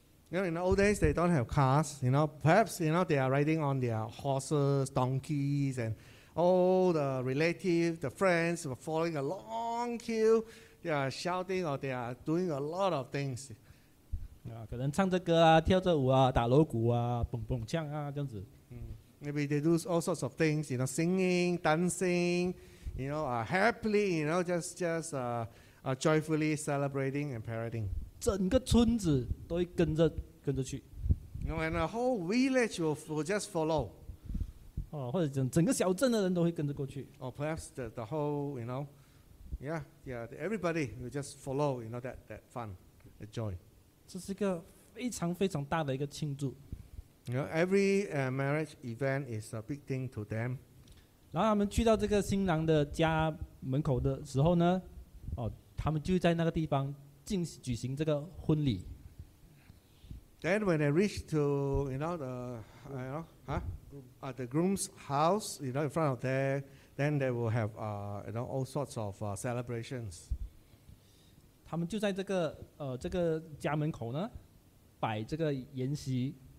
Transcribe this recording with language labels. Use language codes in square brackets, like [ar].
[en] You know, in the old days, they don't have cars. You know, perhaps you know they are riding on their horses, donkeys, and all the relatives, the friends were following a long queue. They are shouting or they are doing a lot of things. [zh] 可能唱着歌啊，跳着舞啊，打锣鼓啊，蹦蹦呛啊，这样子。 [en] Maybe they do all sorts of things, you know, singing, dancing, you know, happily, you know, just joyfully celebrating and parading. [zh] 整个村子都会跟着去。 [en] You know, and a whole village will just follow. [zh] 或者整个小镇的人都会跟着过去。 [en] Or perhaps the whole, you know, everybody will just follow, you know, that fun, the joy. [zh] 这是一个非常非常大的一个庆祝。 [en] You know, every marriage event is a big thing to them. [zh] 然后他们去到这个新郎的家门口的时候呢，他们就在那个地方举行这个婚礼。 [en] Then when they reach to, you know, the groom's house, you know, in front of there, then they will have, you know, all sorts of celebrations. [zh] 他们就在这个家门口呢，摆这个筵席。